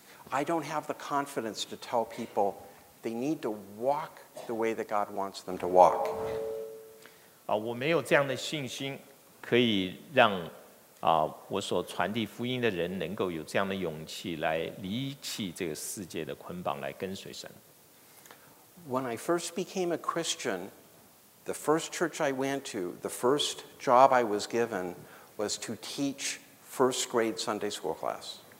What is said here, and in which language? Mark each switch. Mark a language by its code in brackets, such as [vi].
[en] I don't have the confidence to tell people they need to walk the way that God wants them to walk. [zh] 我没有这样的信心可以让我所传递福音的人能够有这样的勇气来离弃这个世界的捆绑来跟随神。 [en] When I first became a Christian, the first church I went to, the first job I was given was to teach first grade Sunday school class.